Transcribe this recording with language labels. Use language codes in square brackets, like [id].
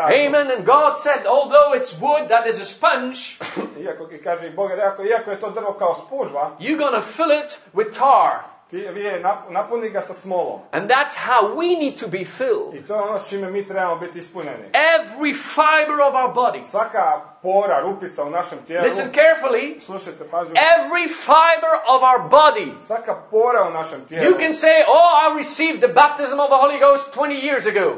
[hr] arku. [en] Amen, and God said, although it's wood that is a sponge, [hr] iako, kaže Bog, iako je to drvo kao spužva, [en] you're gonna fill it with tar. [hr] Vi je napuni ga sa smolom. [en] And that's how we need to be filled. [hr] I to je ono s čime mi trebamo biti ispunjeni. [en] Every fiber of our body. [hr] Svaka pora, rupica u našem tijelu. [en] Listen carefully. [hr] Slušajte pažljivo. [en] Every fiber of our body. [hr] Svaka pora u našem tijelu. [en] You can say, "Oh, I received the baptism of the Holy Ghost 20 years ago."